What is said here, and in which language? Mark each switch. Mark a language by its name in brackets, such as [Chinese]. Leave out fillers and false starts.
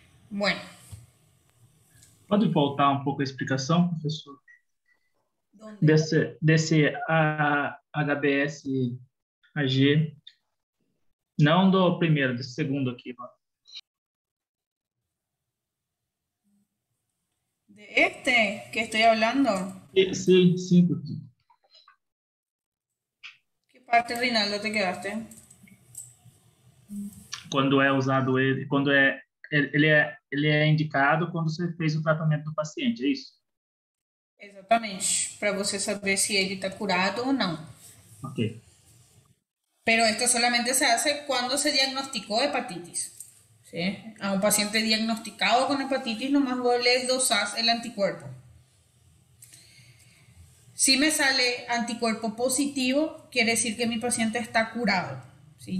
[Spanish] Bueno. ¿Puede voltar un poco a explicación, profesor? [Portuguese] Desse HBS AG, não do primeiro, do segundo aqui. [Spanish] De este [Portuguese] que estou falando? Sim. [Spanish] Que parte, Rinaldo, te quedaste? [Portuguese] Quando é usado ele, quando é ele é indicado quando você fez o tratamento do paciente, é isso? [Spanish] Exactamente, [Portuguese] para você [Spanish] saber si él está curado o no. Ok. Pero esto solamente se hace cuando se diagnosticó hepatitis. ¿Sí? A un paciente diagnosticado con hepatitis, nomás vos le dosás el anticuerpo. Si me sale anticuerpo positivo, quiere decir que mi paciente está curado. ¿sí?